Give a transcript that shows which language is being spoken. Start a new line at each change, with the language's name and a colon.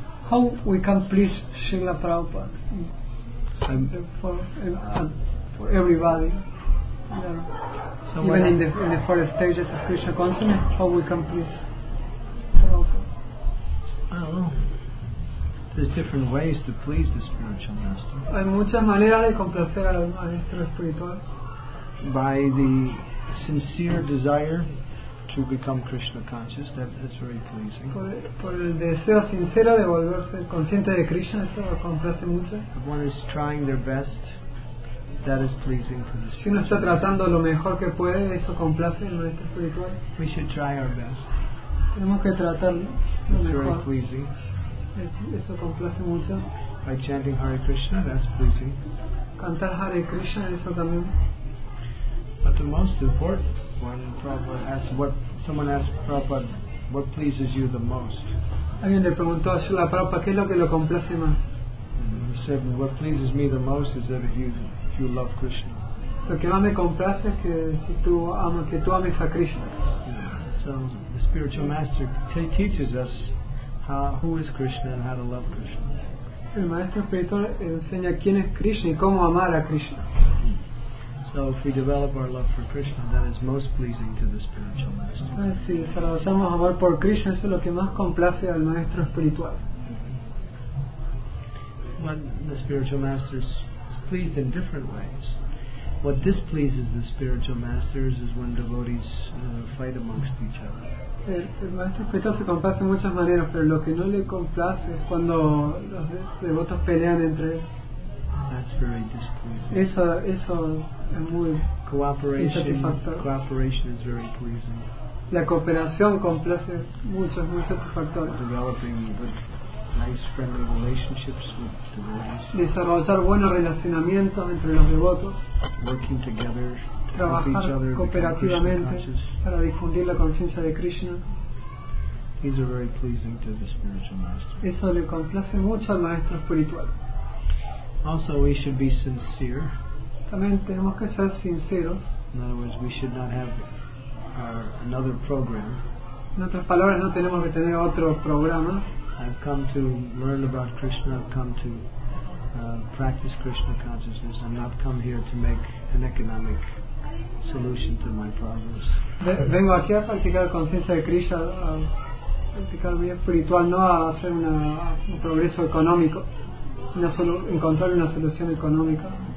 English: How we can please Srila Prabhupada for everybody? So even in the first stages of Krishna consciousness, how we can please I don't There's different ways to please the spiritual master.
Spanish: Hay muchas maneras de complacer al maestro espiritual.
English: By the sincere desire to become Krishna conscious, that's very pleasing.
Spanish: Por el deseo sincero de volverse consciente de Krishna, eso lo complace mucho.
English: If one is trying their best, that is pleasing to the
Spanish: spiritual. Si uno está tratando lo mejor que puede, eso complace al maestro espiritual.
English: We should try our best.
Spanish: Tenemos que tratar lo mejor.
English: Very pleasing.
Spanish: Eso complace mucho.
English: By chanting Hare Krishna, that's pleasing.
Spanish: Cantar Hare Krishna, eso también.
English: But the most important one, Prabhupada asked, what someone asked Prabhupada, what pleases you the most?
Spanish: Alguien le preguntó a Srila Prabhupada, ¿qué es lo que lo complace más?
English: He said, what pleases me the most is that if you love Krishna.
Spanish: Lo que más me complace es que si tú amas, que tú ames a Krishna.
English: So the spiritual master teaches us who is Krishna and how to love Krishna.
Spanish: El maestro espiritual enseña quién es Krishna y cómo amar a Krishna.
English: So if we develop our love for Krishna, that is most pleasing to the spiritual master.
Spanish: Si desarrollamos amor por Krishna, eso es lo que más complace al maestro espiritual.
English: But the spiritual master is pleased in different ways. What displeases the spiritual masters is when devotees fight amongst each other.
Spanish: El maestro espiritual se complace en muchas maneras, pero lo que no le complace es cuando los devotos pelean entre ellos.
English: That's very displeasing.
Spanish: Eso es muy
English: satisfactorio. Cooperation is very pleasing.
Spanish: La cooperación complace mucho, es muy satisfactorio.
English: Developing good, nice, friendly relationships with devotees.
Spanish: Desarrollar buenos relacionamientos entre los devotos.
English: Working together.
Spanish: Trabajar cooperativamente para difundir la conciencia de Krishna.
English: These are very pleasing to the spiritual master.
Spanish: Eso le complace mucho al maestro espiritual.
English: Also, we should be sincere.
Spanish: También tenemos que ser sinceros.
English: In other words, we should not have another program.
Spanish: En otras palabras, no tenemos que tener otro programa.
English: I've come to learn about Krishna. I've come to practice Krishna consciousness. I've not come here to make an economic solution to my problems.
Spanish: Vengo aquí a practicar conciencia de Krishna, a practicar mi espiritual, no a hacer un progreso económico, encontrar una solución económica.